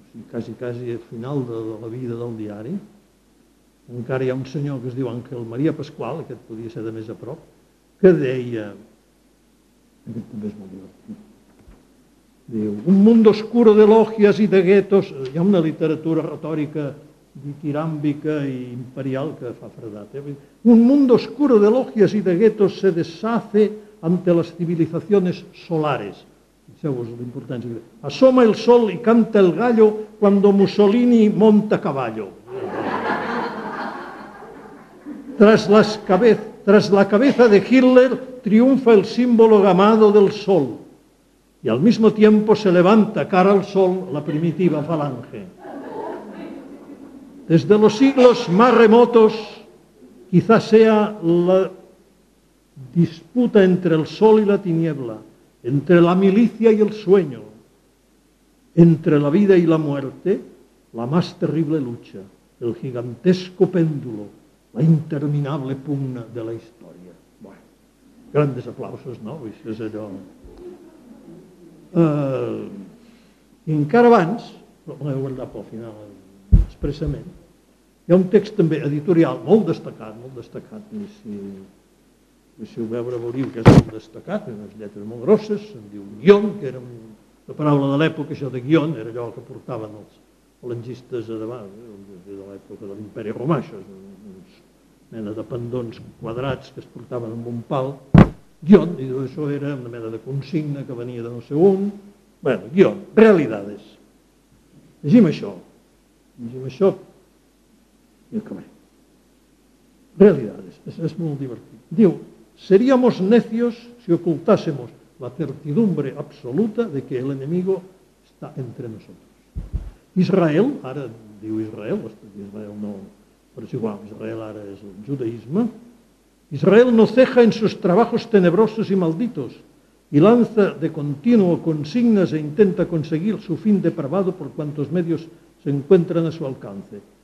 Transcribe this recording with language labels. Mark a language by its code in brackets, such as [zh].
[ca] quasi, quasi al final de la vida del diari, encara hi ha un senyor que es diu Àngel Maria Pasqual, aquest podia ser de més a prop, que deia, aquest també és molt divertit, diu, [es] un mundo oscuro de logias y de guetos, [ca] hi ha una literatura retòrica ditiràmbica i imperial que fa fredat, [es] un mundo oscuro de logias y de guetos se deshace ante las civilizaciones solares. [ca] Fixeu-vos la importància. [es] Asoma el sol i canta el gallo cuando Mussolini monta caballo. Tras la cabeza de Hitler triunfa el símbolo gamado del sol y al mismo tiempo se levanta cara al sol la primitiva falange. Desde los siglos más remotos, quizás sea la disputa entre el sol y la tiniebla, entre la milicia y el sueño, entre la vida y la muerte, la más terrible lucha, el gigantesco péndulo, la interminable pugna de la historia. Bueno, grandes aplausos, no? [ca] Això és allò. I encara abans, però m'ho he guardat pel final expressament, hi ha un text també editorial molt destacat, i si ho veure veuríeu que és molt destacat, unes lletres molt grosses, se'n diu guion, que era la paraula de l'època, això de guion, era allò que portaven els falangistes a davant, de l'època de l'Imperi Romà, això és mena de pendons quadrats que es portaven amb un pal, guion, i això era una mena de consigna que venia de no sé on, bueno, guion, realidades. Llegim això i acabem. Realidades, és molt divertit. [es] Diu, seríamos necios si ocultásemos la certidumbre absoluta de que el enemigo está entre nosotros. Israel, [ca] ara diu Israel, Israel no, però és igual, Israel ara és el judaïsme, [es] Israel no ceja en sus trabajos tenebrosos y malditos y lanza de continuo consignas e intenta conseguir su fin depravado por cuantos medios se encuentran a su alcance.